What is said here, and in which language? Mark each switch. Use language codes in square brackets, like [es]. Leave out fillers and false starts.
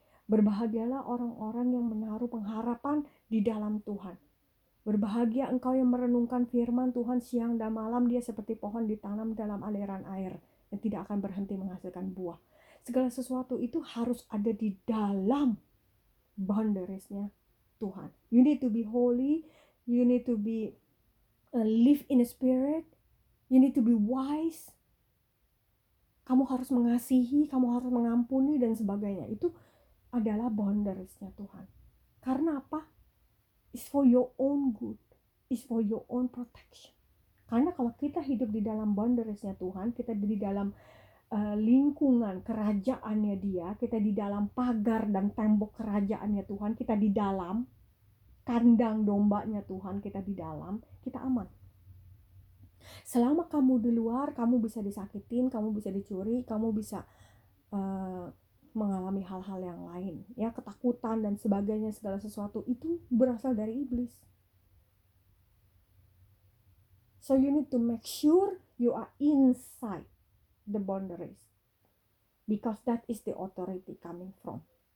[id] Berbahagialah orang-orang yang menaruh pengharapan di dalam Tuhan. Berbahagia engkau yang merenungkan firman Tuhan siang dan malam, dia seperti pohon ditanam dalam aliran air yang tidak akan berhenti menghasilkan buah. Segala sesuatu itu harus ada di dalam boundaries-Nya Tuhan. [en] You need to be holy, you need to be live in a spirit, you need to be wise. [id] Kamu harus mengasihi, kamu harus mengampuni dan sebagainya. Itu adalah boundaries-Nya Tuhan. Karena apa? [en] It's for your own good, it's for your own protection. [id] Karena kalau kita hidup di dalam boundaries-Nya Tuhan, kita di dalam lingkungan kerajaannya dia, kita di dalam pagar dan tembok kerajaannya Tuhan, kita di dalam kandang dombanya Tuhan, kita di dalam, kita aman. Selama kamu di luar, kamu bisa disakitin, kamu bisa dicuri, kamu bisa mengalami hal-hal yang lain, ya, ketakutan dan sebagainya, segala sesuatu itu berasal dari iblis. [en] So you need to make sure you are inside the boundaries, because that is the authority coming from.